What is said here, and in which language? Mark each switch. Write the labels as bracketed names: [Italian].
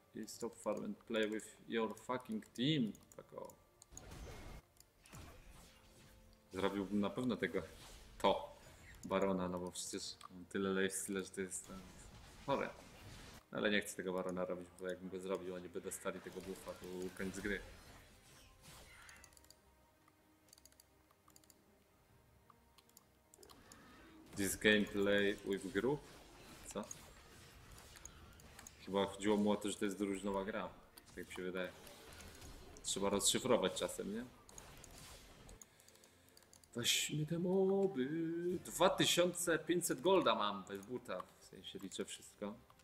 [English] I stop farm and play with your fucking team. [Polish] Tak o. Zrobiłbym na pewno tego to barona, no bo przecież mam tyle lifesteal, że to jest chore. Ale nie chcę tego barona robić, bo jakbym go zrobił, oni by dostali tego buffa, to był koniec gry. [English] This gameplay with group? [Polish] Co? Chyba chodziło mu o to, że to jest drużynowa gra. Tak mi się wydaje. Trzeba rozszyfrować czasem, nie? Weźmy te moby. 2500 golda mam bez buta. W sensie liczę wszystko.